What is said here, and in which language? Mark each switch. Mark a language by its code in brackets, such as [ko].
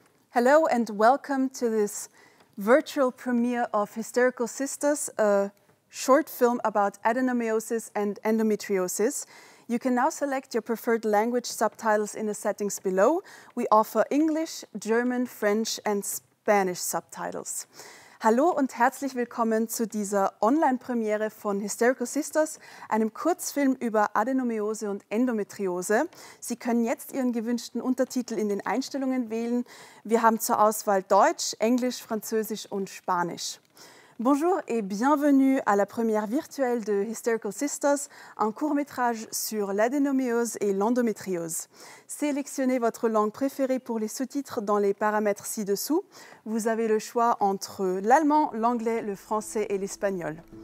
[en] Hello and welcome to this virtual premiere of Hysterical Sisters, a short film about adenomyosis and endometriosis. You can now select your preferred language subtitles in the settings below. We offer English, German, French and Spanish subtitles. [de] Hallo und herzlich willkommen zu dieser Online-Premiere von Hysterical Sisters, einem Kurzfilm über Adenomyose und Endometriose. Sie können jetzt Ihren gewünschten Untertitel in den Einstellungen wählen. Wir haben zur Auswahl Deutsch, Englisch, Französisch und Spanisch. [fr] Bonjour et bienvenue à la première virtuelle de Hysterical Sisters, un court-métrage sur l'adénomyose et l'endométriose. Sélectionnez votre langue préférée pour les sous-titres dans les paramètres ci-dessous. Vous avez le choix entre l'allemand, l'anglais, le français et l'espagnol.